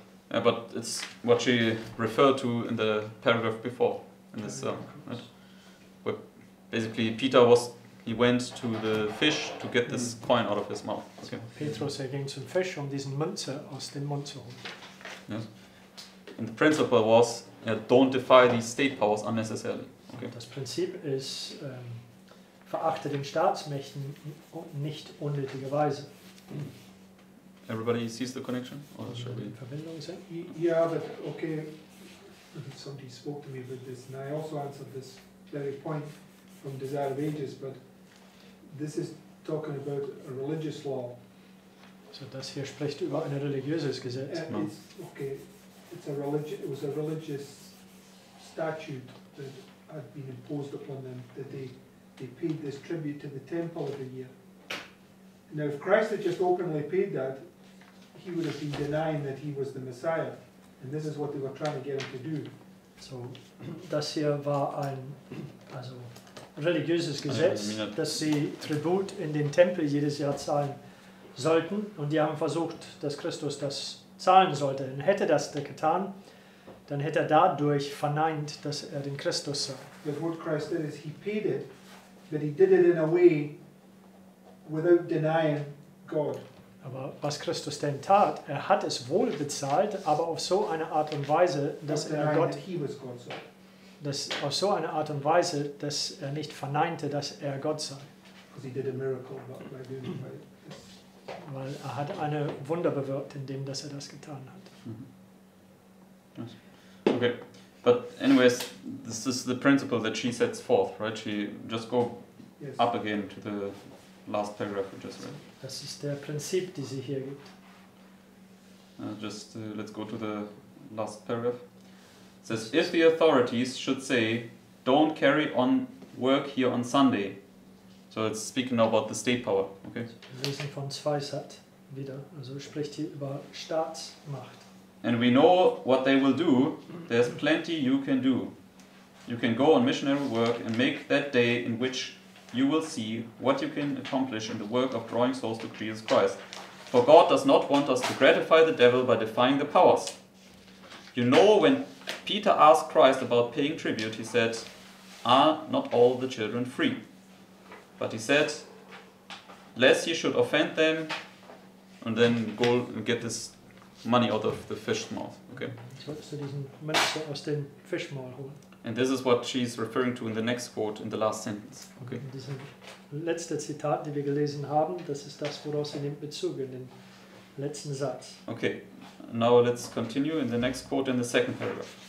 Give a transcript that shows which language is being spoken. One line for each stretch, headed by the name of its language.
English: Yeah, but it's what she referred to in the paragraph before, in this sermon, right? But basically, Peter was, he went to the fish to get this coin out of his mouth. Okay.
German: Petrus, er ging zum Fisch, um diesen Münze aus dem Mund zu holen.
English: Yes. And the principle was, don't defy these state powers unnecessarily. Okay.
German: Das Prinzip ist, verachte den Staatsmächten nicht unnötigerweise.
English: Everybody sees the connection? Or shall we? Yeah, but okay. Somebody spoke to me about this, and I also answered this very point from Desire of Ages, but this is talking about a religious law.
German: So das hier spricht über ein religiöses Gesetz.
English: It was a religious statute that had been imposed upon them, that they paid this tribute to the temple every year. Now, if Christ had just openly paid that, he would have been denying that he was the Messiah. And this is what they were trying to get him to do.
German: So, das hier war ein, also, religiöses Gesetz, dass sie Tribut in den Tempel jedes Jahr zahlen sollten. Und die haben versucht, dass Christus das zahlen sollte. Und hätte das der getan, dann hätte er dadurch verneint, dass er den Christus sei.
English: But what Christ did is he paid it, but he did it in a way without denying God.
German: Aber was Christus denn tat, er hat es wohl bezahlt, aber auf so eine Art und Weise, dass er Gott, dass auf so eine Art und Weise, dass er nicht verneinte, dass er Gott sei.
English: Because he did a miracle by doing it.
German: Weil er hat eine Wunder bewirkt, indem dass er das getan hat.
English: Okay, but anyways, this is the principle that she sets forth, right? She just go up again to the last paragraph we just read.
German: Das ist der Prinzip, die sie hier gibt.
English: Let's go to the last paragraph. It says, if the authorities should say, don't carry on work here on Sunday. So it's speaking now about the state power, okay?
German: Wir lesen von Zweisat wieder. Also spricht hier über Staatsmacht.
English: And we know what they will do. There's plenty you can do. You can go on missionary work and make that day in which you will see what you can accomplish in the work of drawing souls to Jesus Christ. For God does not want us to gratify the devil by defying the powers. You know, when Peter asked Christ about paying tribute, he said, "Are not all the children free?" But he said, "Lest he should offend them," and then go and get this money out of the fish's mouth. Okay.
German: So diesen Münze aus dem Fischmaul holen.
English: And this is what she's referring to in the next quote, in the last sentence. Okay.
German: Diese letzte Zitat, die wir gelesen haben, das ist das, woraus sie nimmt Bezug in den letzten Satz.
English: Okay. Now let's continue in the next quote in the second paragraph.